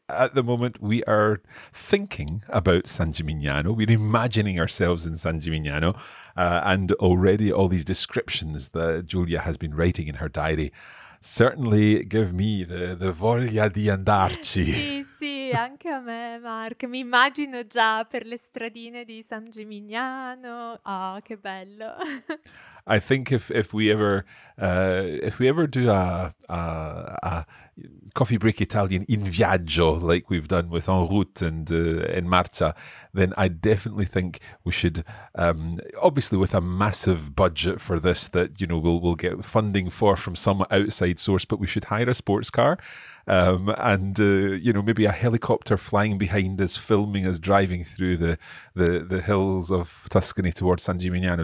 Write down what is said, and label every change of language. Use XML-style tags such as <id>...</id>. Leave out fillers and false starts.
<en>At the moment, we are thinking about San Gimignano. We're imagining ourselves in San Gimignano. And already all these descriptions that Giulia has been writing in her diary certainly give me the</en> <it>voglia di andarci. Anche a me, Mark, mi immagino già per le stradine di San Gimignano. Oh, che bello.</it> <en>I think if we ever do a Coffee Break Italian in viaggio, like we've done with En Route and En Marcia, then I definitely think we should, obviously with a massive budget for this that, you know, we'll get funding for from some outside source, but we should hire a sports car and maybe a helicopter flying behind us, filming us driving through the hills of Tuscany towards San Gimignano.</en>